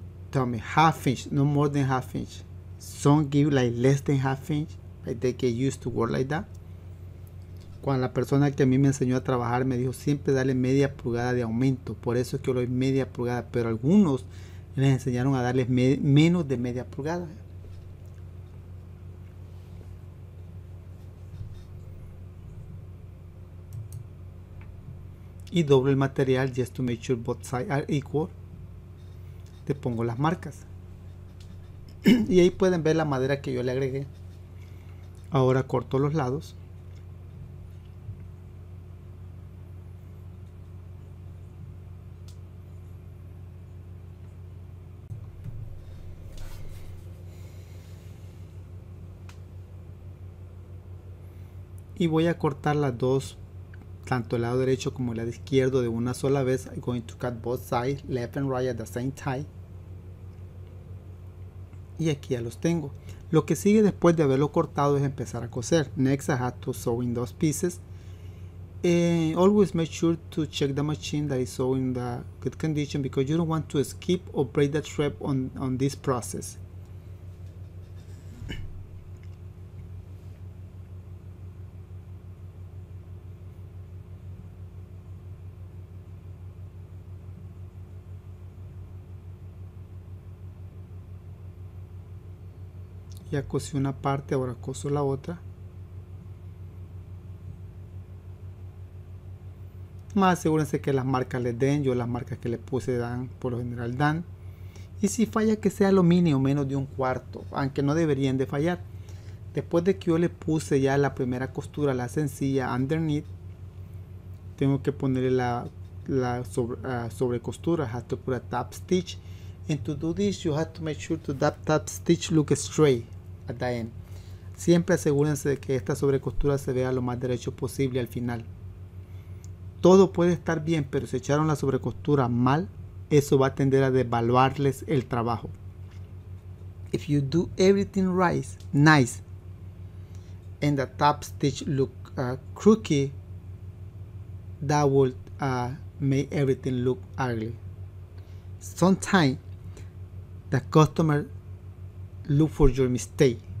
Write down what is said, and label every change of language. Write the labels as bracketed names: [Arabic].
[English] Tell me half inch, no more than half inch. Some give like less than half inch, like they get used to work like that. [Spanish] Cuando la persona que a mí me enseñó a trabajar me dijo siempre darle media pulgada de aumento, por eso es que yo lo doy media pulgada, pero algunos les enseñaron a darles menos de media pulgada. Y doblo el material [English] just to make sure both sides are equal. [Spanish] Te pongo las marcas y ahí pueden ver la madera que yo le agregué. Ahora corto los lados y voy a cortar las dos, tanto el lado derecho como el lado izquierdo, de una sola vez. [English] I'm going to cut both sides, left and right, at the same time. [Spanish] Y aquí ya los tengo. Lo que sigue después de haberlo cortado es empezar a coser. [English] Next, I have to sew in those pieces. And always make sure to check the machine that is sewing in the good condition, because you don't want to skip or break the thread on this process. [Spanish] Ya cosí una parte, ahora coso la otra. Más asegúrense que las marcas les den. Yo las marcas que le puse dan, por lo general dan. Y si falla, que sea aluminio, menos de un cuarto, aunque no deberían de fallar. Después de que yo le puse ya la primera costura, la sencilla, underneath, tengo que ponerle la sobre costura. [English] Has to put a top stitch. And to do this, you have to make sure to that top stitch look straight. [Spanish] Siempre asegúrense de que esta sobrecostura se vea lo más derecho posible al final. Todo puede estar bien, pero si echaron la sobrecostura mal, eso va a tender a devaluarles el trabajo. [English] If you do everything right, nice, and the top stitch look crooked, that would make everything look ugly. Sometimes the customer look for your mistake.